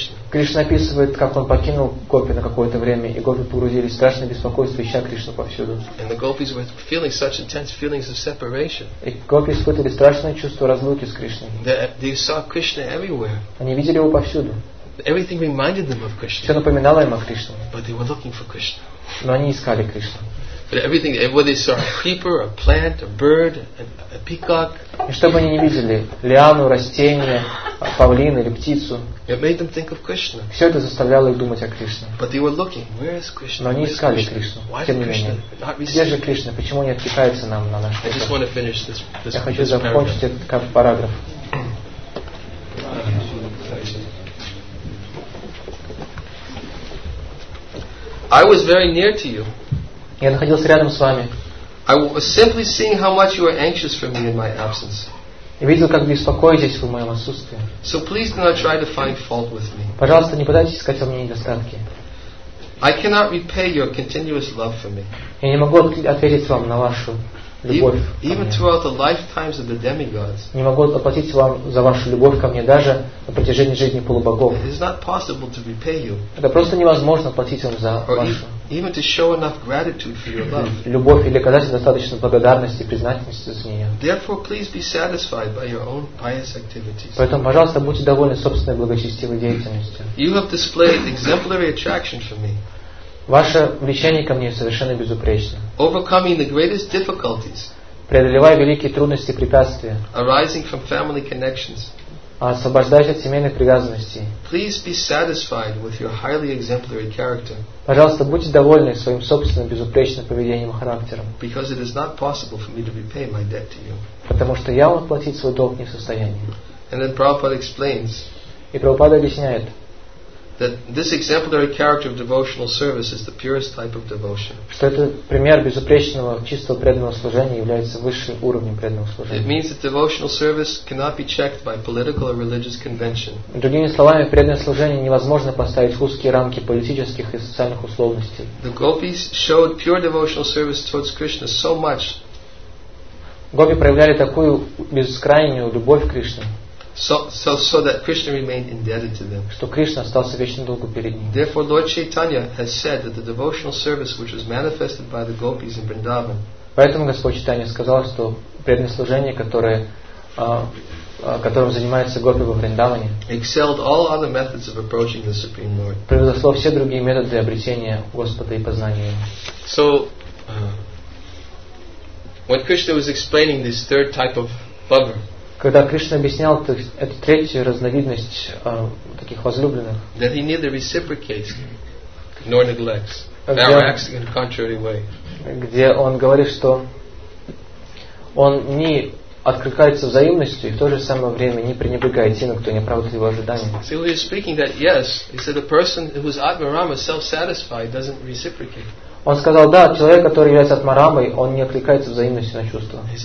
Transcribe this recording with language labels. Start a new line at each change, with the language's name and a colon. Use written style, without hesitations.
Russian: Кришна описывает, как он покинул гопи на какое-то время, и гопи погрузились в страшное беспокойство, ища Кришну повсюду.
English: And the gopis were feeling such intense feelings of separation.
Russian: И гопи испытывали страшное чувство разлуки с Кришной.
English: They saw Krishna everywhere.
Russian: Они видели его повсюду.
English: Everything reminded them of Krishna.
Russian: Все напоминало им о Кришне.
English: But they were looking for Krishna.
Russian: Но они искали Кришну.
English: But everything, whether they saw a creeper, a plant, a bird, a peacock.
Russian: И чтобы они не видели лиану, растение, павлина или птицу.
English: It made them think of Krishna.
Russian: Все это заставляло их думать о Кришне.
English: But they were looking. Where is Krishna?
Russian: Но они искали Кришну. Тем не менее. Где же Кришна? Почему не откликается нам на наш?
English: I just want to finish this.
Russian: Я хочу закончить этот параграф.
English: I was very near to you.
Russian: Я находился рядом с вами.
English: I was simply seeing how much you are anxious for me in my absence.
Russian: Я видел, как вы беспокоитесь в моем отсутствии.
English: So please do not try to find fault with me.
Russian: Пожалуйста, не пытайтесь искать во мне недостатки.
English: I cannot repay your continuous love for me.
Russian: Я не могу ответить вам на вашу любовь.
English: Even throughout the lifetimes of the demigods.
Russian: Не могу оплатить вам за вашу любовь ко мне даже на протяжении жизни полубогов.
English: It is not possible to repay you.
Russian: Это просто невозможно оплатить вам за вашу.
English: Even to show enough gratitude for your love.
Russian: Любовь или оказать достаточно благодарности и признательности за нее.
English: Therefore, please be satisfied by your own pious activities.
Russian: Поэтому, пожалуйста, будьте довольны собственной благочестивой деятельностью.
English: You have displayed exemplary attraction for me.
Russian: Ваше влечение ко мне совершенно безупречно.
English: Overcoming the greatest difficulties.
Russian: Преодолевая великие трудности и препятствия.
English: Arising from family connections.
Russian: Освобождаясь от семейных привязанностей.
English: Please be satisfied with your highly exemplary character.
Russian: Пожалуйста, будьте довольны своим собственным безупречным поведением и характером.
English: Because it is not possible for me to repay my debt to you.
Russian: Потому что я вам платить свой долг не в состоянии.
English: And then Prabhupada explains.
Russian: И Прабхупада объясняет.
English: That this exemplary character of devotional service is the purest type of devotion.
Russian: Что этот пример безупречного чистого преданного служения является высшим уровнем преданного служения.
English: It means that devotional service cannot be checked by political or religious convention.
Russian: Другими словами, преданное служение невозможно поставить в узкие рамки политических и социальных условностей.
English: The gopis showed pure devotional service towards Krishna so much.
Russian: Гопи проявляли такую бескрайнюю любовь к Кришне.
English: So that Krishna remained indebted to them.
Russian: Что Кришна остался вечно долгу перед ним.
English: Therefore, Lord Chaitanya has said that the devotional service which was manifested by the gopis in Vrindavan.
Russian: Поэтому Господь Чайтанья сказал, что преданное служение, которое которым занимаются гопи во Вриндаване,
English: excelled all other methods of approaching the Supreme Lord.
Russian: Превзошло все другие методы обретения Господа и познания.
English: So when Krishna was explaining this third type of bhava.
Russian: Когда Кришна объяснял эту третью разновидность таких возлюбленных,
English: that he neither reciprocates nor neglects, nor acts in a contrary way.
Russian: Где он говорит, что он не откликается взаимностью и в то же самое время не пренебрегает тем, кто не оправдывает его ожидания.
English: So he was speaking that yes, he said a person who is Atmarama, self-satisfied, doesn't reciprocate.
Russian: Он сказал, да, человек, который является атмарамой, он не откликается взаимностью на чувства.